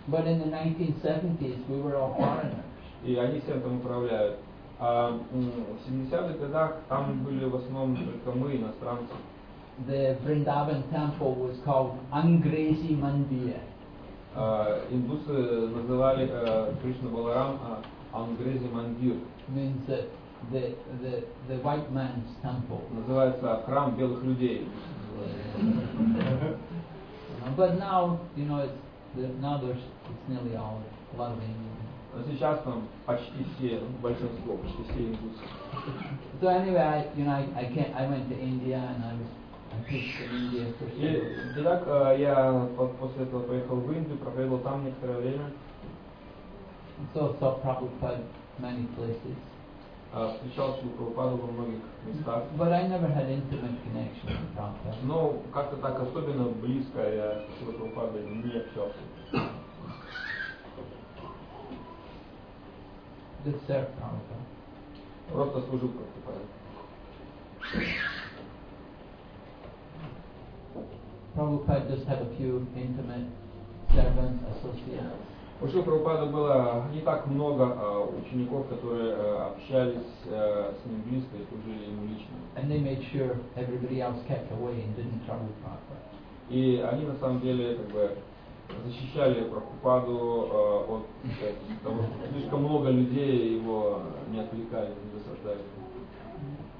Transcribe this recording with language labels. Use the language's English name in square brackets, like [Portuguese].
[English] But in the 1970s, we were all foreigners. [Russian] И они всем там управляют. А в 70-х годах там были в основном только мы, иностранцы. [English] The Vrindavan temple was called Angrezi Mandir. [Russian] Индусы называли Кришну Баларам Ангрези Мандир. [English] Means that the white man's temple. [Russian] Называется храм белых людей. [English] But now, you know, it's nearly all a lot of Indians. [Russian] Но сейчас там почти все, большинство, почти все индусы. [English] So anyway, I went to India and I preached in India for sure. [Russian] Итак, я после этого поехал в Индию, проведал там некоторое время. [English] So saw Prabhupada many places. [Russian] Встречал Шри Прабхупаду во многих местах. [English] But I never had intimate connection with Prabhupada. [Russian] Но как-то так особенно близко я с Шри Прабхупадой не общался. [English] Did serve Prabhupada. [Russian] Просто служил Прабхупаде. [English] Prabhupada just had a few intimate servants, associates. [Russian] У Шрилы Прабхупады было не так много учеников, которые общались с ним близко и служили ему лично. [English] And they made sure everybody else kept away and didn't trouble Prabhupada. [Russian] И они на самом деле как бы защищали Прабхупаду от того, что слишком много людей его не отвлекали, не досаждали. [English] Okay.